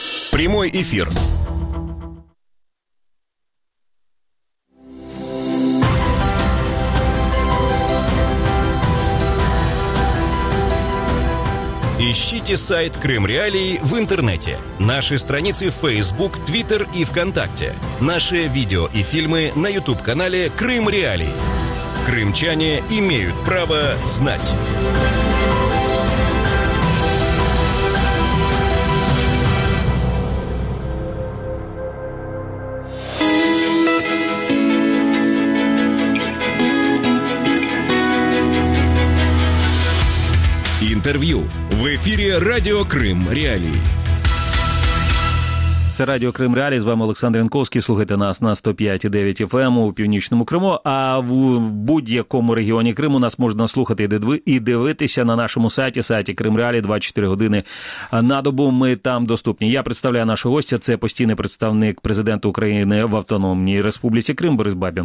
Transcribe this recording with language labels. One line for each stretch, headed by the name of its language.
Russian: Прямой эфир. Ищите сайт Крым Реалии в интернете. Наши страницы в Facebook, Twitter и ВКонтакте. Наши видео и фильмы на YouTube-канале Крым Реалии. Крымчане имеют право знать. Интервью в эфире «Радио Крым. Реалии».
Ukrainian: Це Радіо Крим Реалі. З вами Олександр Янковський. Слухайте нас на 105.9 FM у Північному Криму. А в будь-якому регіоні Криму нас можна слухати і дивитися на нашому сайті, сайті Крим Реалі, 24 години на добу. Ми там доступні. Я представляю нашого гостя. Це постійний представник президента України в Автономній Республіці Крим Борис Бабін.